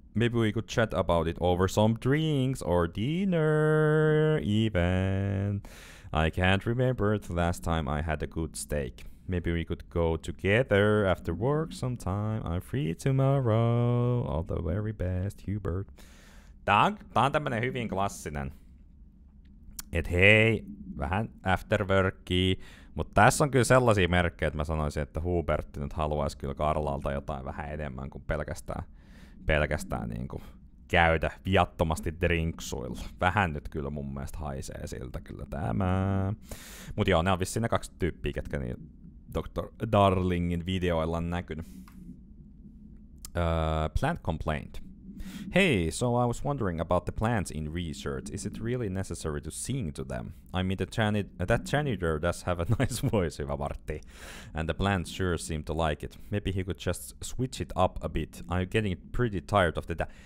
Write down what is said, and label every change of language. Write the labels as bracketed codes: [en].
[en] Maybe we could chat about it over some drinks or dinner even. I can't remember the last time I had a good steak. Maybe we could go together after work sometime. I'm free tomorrow. All the very best, Hubert. [fi] Tää on tämmönen hyvin klassinen. Et hei, vähän afterworkia. Mut tässä on kyllä sellaisia merkkejä, että mä sanoisin, että Hubertti nyt haluaisi kyllä Karlalta jotain vähän enemmän kuin pelkästään niin kuin käydä viattomasti drinksuilla. Vähän nyt kyllä mun mielestä haisee siltä kyllä tämä. Mut joo, ne on vissiin ne kaksi tyyppiä, ketkä niin Dr. Darlingin videoilla on näkynyt. [en] Plant complaint. Hey, so I was wondering about the plants in research. Is it really necessary to sing to them? I mean, that janitor does have a nice voice, [fi] hyvä Martti. [en] And the plants sure seem to like it. Maybe he could just switch it up a bit. I'm getting pretty tired of that.